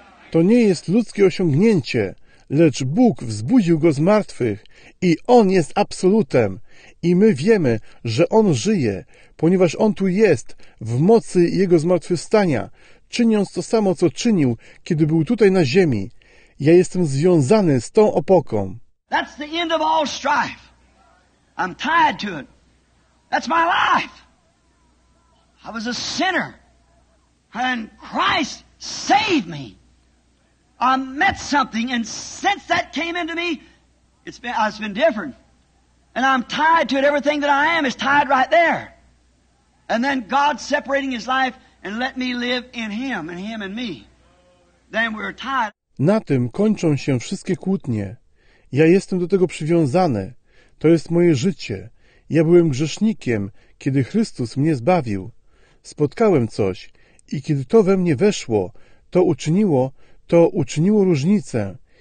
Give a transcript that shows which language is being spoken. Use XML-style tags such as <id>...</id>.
<pl>To nie jest ludzkie osiągnięcie, lecz Bóg wzbudził go z martwych i On jest absolutem. I my wiemy, że On żyje, ponieważ On tu jest w mocy Jego zmartwychwstania, czyniąc to samo, co czynił, kiedy był tutaj na ziemi. Ja jestem związany z tą opoką.</pl> <en>That's the end of all strife. I'm tied to it. That's my life. I was a sinner. And Christ saved me. I met something, and since that came into me, it's been different. And I'm tied to it. Everything that I am is tied right there. And then God separating his life and let me live in him and him and me. Then we're tied.</en> <pl>Na tym kończą się wszystkie kłótnie. Ja jestem do tego przywiązany. To jest moje życie. Ja byłem grzesznikiem, kiedy Chrystus mnie zbawił. Spotkałem coś i kiedy to we mnie weszło, to uczyniło różnicę.</pl>